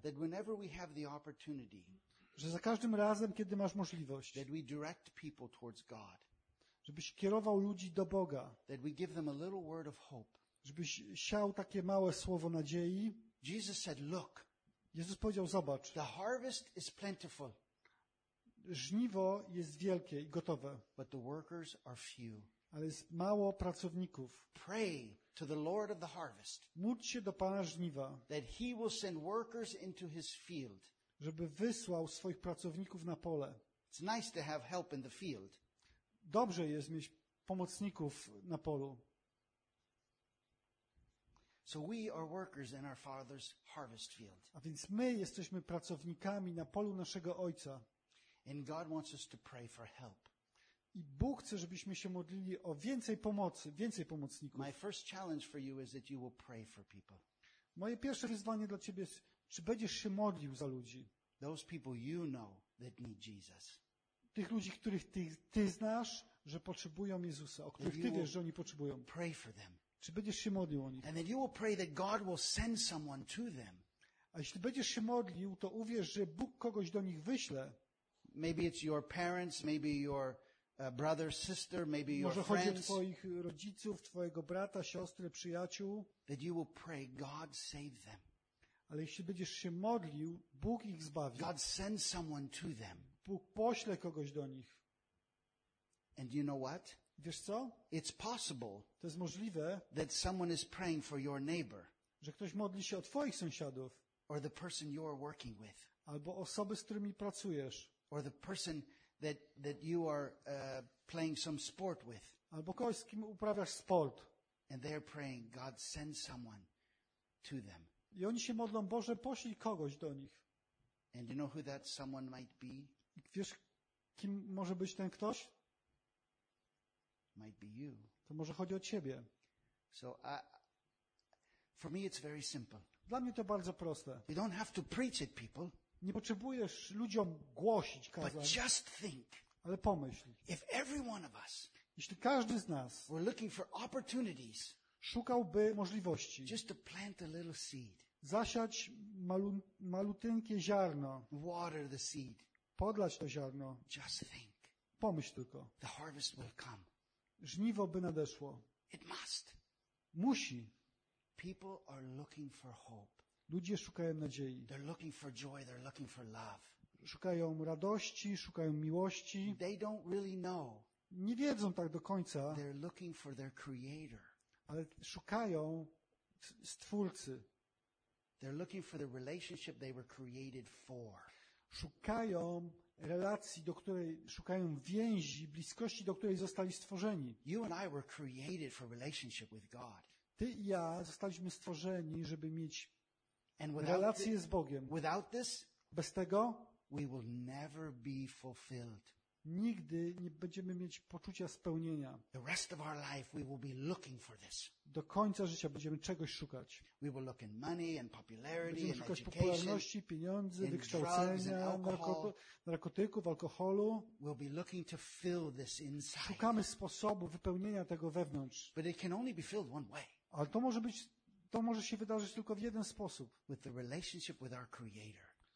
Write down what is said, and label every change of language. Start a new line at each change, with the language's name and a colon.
English: That whenever we have the opportunity,
Polish: że za każdym razem, kiedy masz możliwość,
English: that we direct people towards God,
Polish: żebyś kierował ludzi do Boga,
English: that we give them a little word of hope,
Polish: żebyś siał takie małe słowo nadziei.
English: Jesus said, look,
Polish: Jezus powiedział, zobacz,
English: the harvest is plentiful,
Polish: żniwo jest wielkie i gotowe,
English: but the workers are few,
Polish: ale jest mało pracowników.
English: Pray to the Lord of the harvest,
Polish: módl się do Pana żniwa,
English: that he will send workers into his field,
Polish: żeby wysłał swoich pracowników na pole.
English: It's nice to have help in the field.
Polish: Dobrze jest mieć pomocników na polu.
English: So we are workers in our father's harvest field.
Polish: A więc my jesteśmy pracownikami na polu naszego ojca.
English: And God wants us to pray for help.
Polish: I Bóg chce, żebyśmy się modlili o więcej pomocy, więcej pomocników.
English: My first challenge for you is that you will pray for people.
Polish: Moje pierwsze wyzwanie dla ciebie jest, czy będziesz się modlił za ludzi?
English: Those people you know that need Jesus.
Polish: Tych ludzi, których ty znasz, że potrzebują Jezusa, o których ty wiesz, że oni potrzebują.
English: Pray for them.
Polish: Czy będziesz się modlił o nich?
English: And then you will pray that God will send someone to them.
Polish: A jeśli będziesz się modlił, to uwierz, że Bóg kogoś do nich wyśle.
English: Maybe it's your parents, maybe your brother, sister, maybe your friends.
Polish: Może chodzi o twoich rodziców, twojego brata, siostry, przyjaciół.
English: That you will pray, God save them.
Polish: Ale jeśli będziesz się modlił, Bóg ich zbawi.
English: God send someone to them.
Polish: Bóg pośle kogoś do nich.
English: And you know what?
Polish: Wiesz co?
English: It's possible.
Polish: To jest możliwe.
English: That someone is praying for your neighbor.
Polish: Że ktoś modli się o twoich sąsiadów.
English: Or the person you are working with.
Polish: Albo osoby, z którymi pracujesz.
English: Or the person that you are playing some sport with.
Polish: Albo kogoś, z kim uprawiasz sport.
English: And they are praying, God send someone to them.
Polish: I oni się modlą, Boże, poślij kogoś do nich.
English: And you know who that someone might be?
Polish: Wiesz, kim może być ten ktoś?
English: Might be you.
Polish: To może chodzi o ciebie.
English: So for me it's very simple.
Polish: Dla mnie to bardzo proste.
English: You don't have to preach it, people.
Polish: Nie potrzebujesz ludziom głosić, kazać.
English: But just think.
Polish: Ale pomyśl.
English: If every one of us,
Polish: jeśli każdy z nas,
English: we're looking for opportunities,
Polish: szukałby możliwości.
English: Just to plant a little seed.
Polish: Zasiać malutynkie ziarno.
English: Water the seed.
Polish: Podlać to ziarno.
English: Just think.
Polish: Pomyśl tylko.
English: The harvest will come.
Polish: Żniwo by nadeszło.
English: It must.
Polish: Musi.
English: People are looking for hope.
Polish: Ludzie szukają nadziei.
English: They're looking for joy, they're looking for love.
Polish: Szukają radości, szukają miłości.
English: They don't really know.
Polish: Nie wiedzą tak do końca.
English: They're looking for their creator.
Polish: Ale szukają Stwórcy.
English: They're looking for the relationship they were created for.
Polish: Szukają relacji, do której szukają więzi, bliskości, do której zostali stworzeni.
English: You and I were created for relationship with God.
Polish: Ty i ja zostaliśmy stworzeni, żeby mieć relację z Bogiem.
English: Without this,
Polish: bez tego,
English: we will never be fulfilled.
Polish: Nigdy nie będziemy mieć poczucia spełnienia.
English: The rest of our life we will be looking for this.
Polish: Do końca życia będziemy czegoś szukać.
English: We will look in money and popularity,
Polish: będziemy szukać popularności, pieniędzy, wykształcenia, narkotyków, alkoholu.
English: We'll be looking to fill this inside.
Polish: Szukamy sposobu wypełnienia tego wewnątrz.
English: But it can only be filled one way.
Polish: Ale to może się wydarzyć tylko w jeden sposób.
English: With the relationship with our creator.